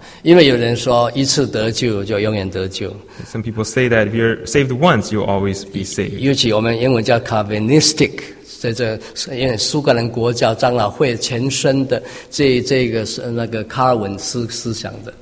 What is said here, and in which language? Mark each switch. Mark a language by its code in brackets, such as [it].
[zh] 因为有人说一次得救就永远得救。 [en] Some people say that if you're saved once, you'll always be saved. [zh] 尤其我们英文叫 Calvinistic， 在这因为苏格兰国教长老会前身的这个是那个 Calvin 思想的。